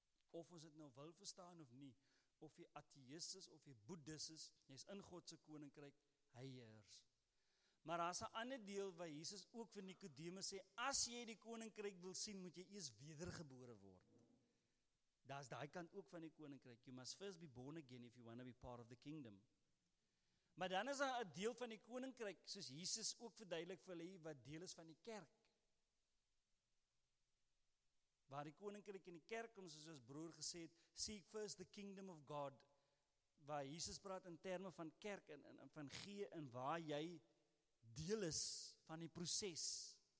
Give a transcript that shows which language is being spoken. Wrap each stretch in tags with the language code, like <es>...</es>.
<af>Of ons dit nou wil verstaan of nie, of jy ateïs is of jy boeddhis is, jy is in God se koninkryk, hy heers. Maar daar is 'n ander deel waar Jesus ook vir Nikodemus sê, as jy die koninkryk wil sien, moet jy eers wedergebore word. Daar is daai kant ook van die koninkryk.</af> <en>You must first be born again if you want to be part of the kingdom.</en> <af>Maar dan is daar 'n deel van die koninkryk, soos Jesus ook verduidelik vir hulle, wat deel is van die kerk. Waar die koninkryk en die kerk, ons soos broer gesê het,</af> <en>seek first the kingdom of God,</en> <af>waar Jesus praat in terme van kerk en van gee, en waar jy deel is van die proses.</af>